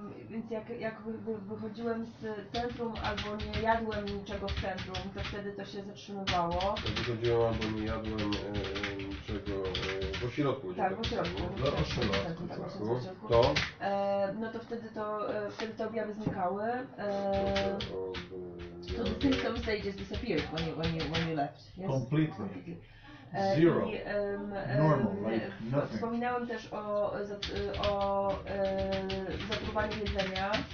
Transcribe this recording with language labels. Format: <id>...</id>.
<pl>Więc jak wychodziłem z centrum albo nie jadłem niczego w centrum, to wtedy to się zatrzymywało. Jak wychodziłem albo nie jadłem niczego w ośrodku. Tak, w ośrodku. To? No to wtedy te objawy znikały.</pl> <en>To the symptoms, they just disappeared when you left. Yes? Completely. Zero. Normal, like nothing.</en> <pl>Wspominałem też o zatruwaniu jedzenia.</pl>